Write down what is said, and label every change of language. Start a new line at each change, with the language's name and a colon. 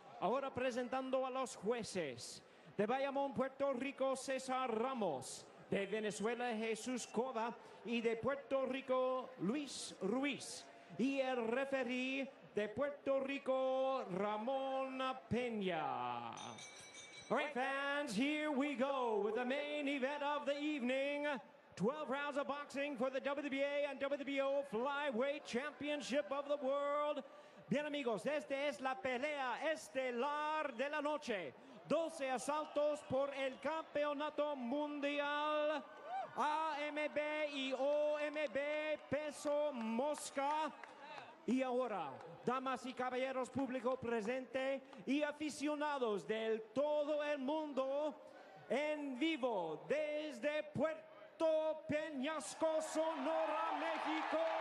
Spanish: Ahora presentando a los jueces. De Bayamón, Puerto Rico, César Ramos. De Venezuela, Jesús Cova. Y de Puerto Rico, Luis Ruiz. Y el referí de Puerto Rico, Ramón Peña.
English: All right, fans, here we go with the main event of the evening. 12 rounds of boxing for the WBA and WBO Flyweight Championship of the World.
Spanish: Bien, amigos, esta es la pelea estelar de la noche. 12 asaltos por el campeonato mundial. AMB y OMB, peso mosca. Y ahora, damas y caballeros, público presente y aficionados del todo el mundo, en vivo desde Puerto Peñasco, Sonora, México.